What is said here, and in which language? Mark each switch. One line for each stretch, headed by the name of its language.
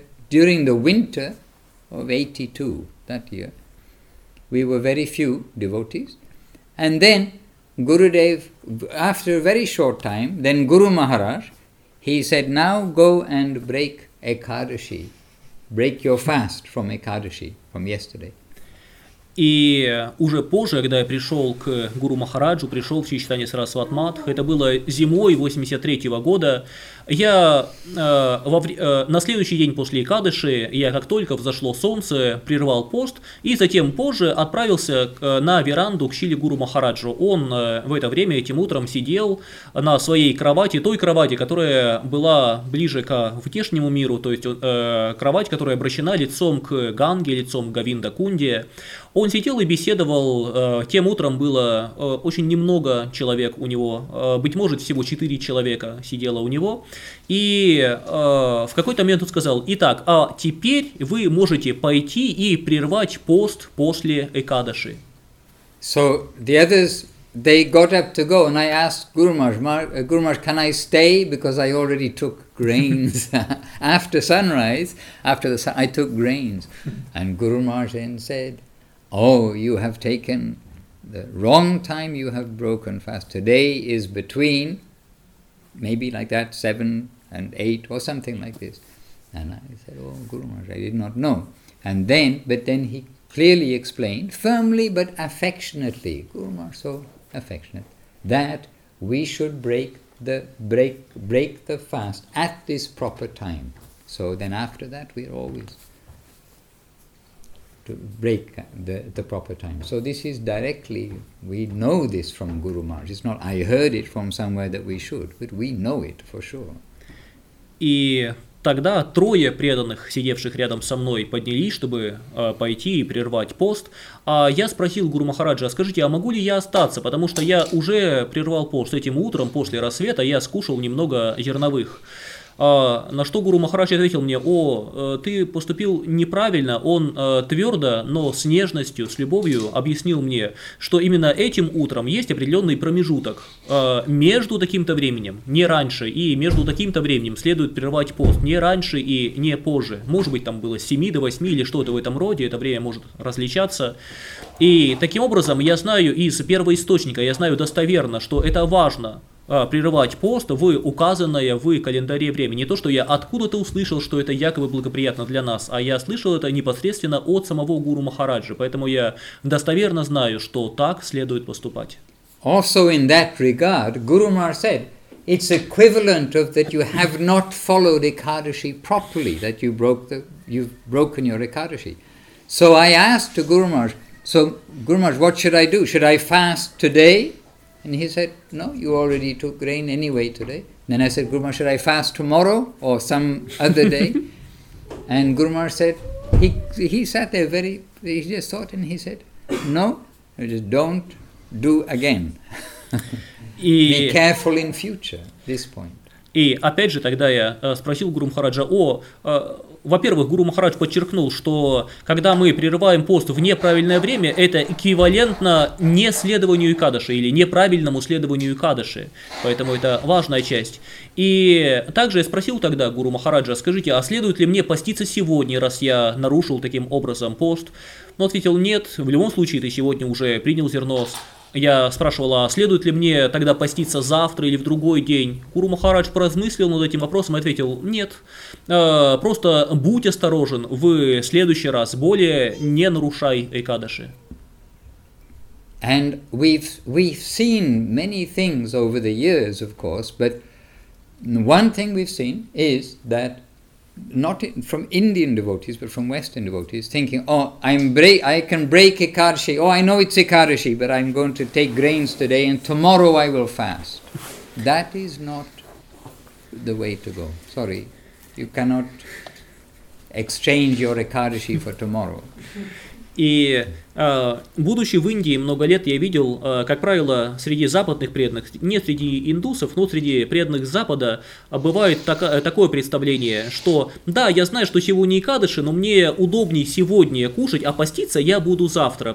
English: During the winter of 82, that year, we were very few devotees. And then Gurudev, after a very short time, then Guru Maharaj, he said, now go and break Ekadashi. Break your fast from Ekadashi, from yesterday.
Russian: И уже позже, когда я пришел к Гуру Махараджу, пришел в Чайтанья Сарасват Матх, это было зимой 83-го года, я на следующий день после Экадыши, я как только взошло солнце, прервал пост, и затем позже отправился на веранду к Шили Гуру Махараджу. Он в это время этим утром сидел на своей кровати, той кровати, которая была ближе к внешнему миру, то есть кровать, которая обращена лицом к Ганге, лицом к Говинда Кунде. Он сидел и беседовал, тем утром было очень немного человек у него, быть может, всего 4 человека сидело у него. И в какой-то момент он сказал, итак, а теперь вы можете пойти и прервать пост после Экадаши.
English: So the others, they got up to go, and I asked Guru Maharaj, Guru Maharaj, can I stay? Because I already took grains after sunrise, I took grains. And Guru Maharaj then said, oh, you have taken the wrong time, you have broken fast. Today is between, maybe like that, 7 and 8 or something like this. And I said, oh, Guru Maharaj, I did not know. And then, but then he clearly explained, firmly but affectionately, Guru Maharaj, so affectionate, that we should break the fast at this proper time. So then after that, we are always to break the proper time. So this is directly, we know this from Guru Maharaj. It's not I heard it from somewhere that we should, but we know it for sure.
Russian: И тогда трое преданных, сидевших рядом со мной, поднялись, чтобы пойти и прервать пост. А я спросил Гуру Махараджа, скажите, а могу ли я остаться? Потому что я уже прервал пост этим утром, после рассвета, я скушал немного зерновых. На что Гуру Махарадж ответил мне, о, ты поступил неправильно, он твердо, но с нежностью, с любовью объяснил мне, что именно этим утром есть определенный промежуток между таким-то временем, не раньше, и между таким-то временем следует прервать пост, не раньше и не позже, может быть там было с 7 до 8 или что-то в этом роде, это время может различаться. И таким образом я знаю из первоисточника, я знаю достоверно, что это важно, прерывать пост в указанное в календаре время. Не то, что я откуда-то услышал, что это якобы благоприятно для нас, а я слышал это непосредственно от самого Гуру Махараджи. Поэтому я достоверно знаю, что так следует поступать.
English: Also in that regard, Guru Maharaj said, it's equivalent of that you have not followed Ekadashi properly, that you've broken your Ekadashi. So I asked to Guru Maharaj, so Guru Maharaj, what should I do? Should I fast today? And he said, no, you already took grain anyway today. And then I said, Guru Maharaj, should I fast tomorrow or some other day? And Guru Maharaj said, he sat there very, he just thought and he said, no, just don't do again. Be careful in future, this point.
Russian: И опять же тогда я спросил Гуру Махараджа, о, Во-первых, Гуру Махарадж подчеркнул, что когда мы прерываем пост в неправильное время, это эквивалентно неследованию Экадаши или неправильному следованию Экадаши. Поэтому это важная часть. И также я спросил тогда Гуру Махараджа, скажите, а следует ли мне поститься сегодня, раз я нарушил таким образом пост? Он ответил, нет, в любом случае ты сегодня уже принял зерно. Я спрашивал, а следует ли мне тогда поститься завтра или в другой день? Гуру Махарадж поразмыслил над этим вопросом и ответил, нет, просто будь осторожен, в следующий раз более не нарушай Экадаши.
English: And we've seen many things over the years, of course, but one thing we've seen is that not from Indian devotees, but from Western devotees, thinking, I can break Ekadashi. Oh, I know it's Ekadashi, but I'm going to take grains today and tomorrow I will fast. That is not the way to go. Sorry, you cannot exchange your Ekadashi for tomorrow.
Russian: И будучи в Индии много лет, я видел, как правило, среди западных преданных, не среди индусов, но среди преданных Запада, бывает такое представление, что да, я знаю, что сегодня Экадаши, но мне удобнее сегодня кушать, а поститься я буду завтра.